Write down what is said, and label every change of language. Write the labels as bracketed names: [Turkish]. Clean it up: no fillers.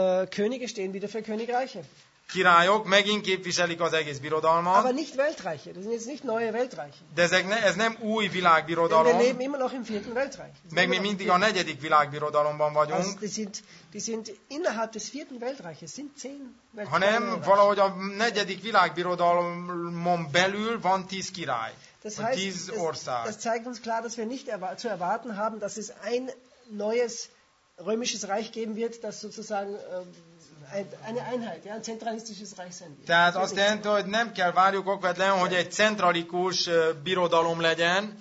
[German] Könige stehen wieder für Königreiche. [Hungarian] Királyok megint képviselik az egész birodalmat. [German] Aber nicht Weltreiche, das sind jetzt nicht neue Weltreiche. [Hungarian] De ez nem új világbirodalom. [German] Wir leben immer noch im vierten Weltreich. [Hungarian] Meg mi mindig a negyedik világbirodalomban vagyunk. [German] Also die sind innerhalb des vierten Weltreiches, sind 10 Weltreiche. [Hungarian] Hanem valahogy a negyedik világbirodalmon belül van 10 király. [German] Das heißt, das zeigt uns klar, dass wir nicht zu erwarten haben, dass es ein neues römisches Reich geben wird, das sozusagen... eine Einheit, ja, ein zentralistisches Reich sein wird. [Hungarian] Tehát azt jelenti, hogy nem kell várjuk okvetlenül, hogy egy centralikus birodalom legyen.